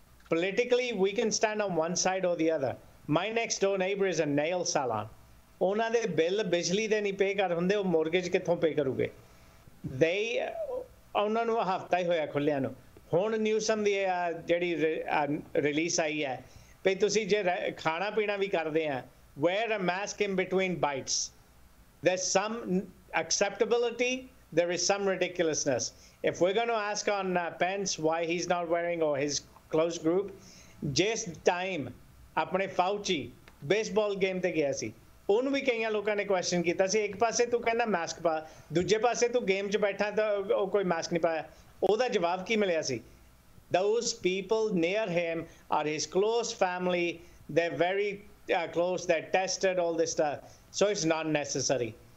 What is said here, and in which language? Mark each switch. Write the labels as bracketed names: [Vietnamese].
[English] Politically we can stand on one side or the other. My next door neighbour is a nail seller, [Punjabi] ਉਹਨਾਂ ਦੇ bill ਬਿਜਲੀ ਦੇ ਨਹੀਂ ਪੇ ਕਰ ਹੁੰਦੇ, ਉਹ ਮੋਰਗੇਜ ਕਿੱਥੋਂ ਪੇ ਕਰੂਗੇ? ਦੇ ਉਹਨਾਂ ਨੂੰ ਹਫ਼ਤਾ ਹੀ ਹੋਇਆ ਖੁੱਲਿਆਂ ਨੂੰ। ਹੁਣ ਨਿਊਸਮ ਦੀ ਜਿਹੜੀ ਰਿਲੀਸ ਆਈ ਹੈ ਵੀ ਤੁਸੀਂ ਜੇ ਖਾਣਾ ਪੀਣਾ ਵੀ ਕਰਦੇ ਆ, [English] Wear a mask in between bites, there's some acceptability there is some ridiculousness. If we're going to ask on Pence why he's not wearing or his close group, just time, [Punjabi] apne Fauci, baseball game te gaya si. ਉਹਨੂੰ ਵੀ ਕਈਆਂ ਲੋਕਾਂ ਨੇ question ਕੀਤਾ ਸੀ, ਇੱਕ ਪਾਸੇ ਤੂੰ ਕਹਿੰਦਾ mask ਪਾ, ਦੂਜੇ ਪਾਸੇ ਤੂੰ ਗੇਮ 'ਚ ਬੈਠਾ ਤਾਂ ਉਹ ਕੋਈ ਮਾਸਕ ਨਹੀਂ ਪਾਇਆ, ਉਹਦਾ ਜਵਾਬ ਕੀ ਮਿਲਿਆ ਸੀ? [English] Those people near him are his close family, they very close, they tested all this stuff, so it's not necessary.